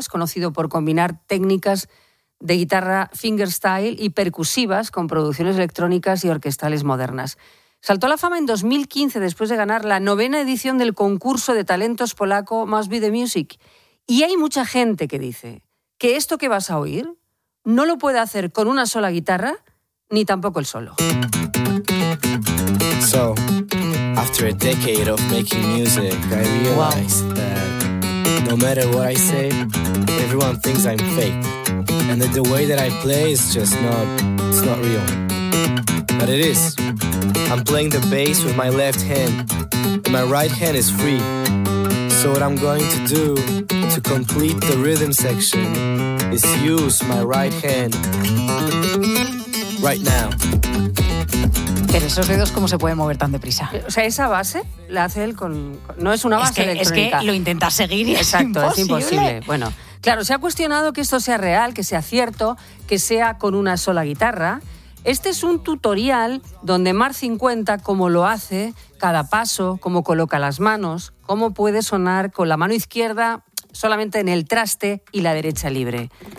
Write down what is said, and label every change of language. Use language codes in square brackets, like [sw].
[es] Es conocido por combinar técnicas de guitarra fingerstyle y percusivas con producciones electrónicas y orquestales modernas. Saltó a la fama en 2015 después de ganar la 9ª edición del concurso de talentos polaco Must Be The Music. Y hay mucha gente que dice que esto que vas a oír no lo puede hacer con una sola guitarra ni tampoco el solo. [en] So, after a decade of making music, I realized that no matter what I say, everyone thinks I'm fake. And that the way that I play is just not, it's not real. But it is. I'm playing the bass with my left hand, and my right hand is free. So what I'm going to do to complete the rhythm section is use my right hand. Right now. [es] Pero esos dedos, ¿cómo se pueden mover tan deprisa? O sea, esa base la hace él con... No es una base electrónica. Es que lo intenta seguir y es exacto, imposible. Es imposible. Bueno, claro, se ha cuestionado que esto sea real, que sea cierto, que sea con una sola guitarra. Este es un tutorial donde Marcin cuenta cómo lo hace, cada paso, cómo coloca las manos, cómo puede sonar con la mano izquierda solamente en el traste y la derecha libre.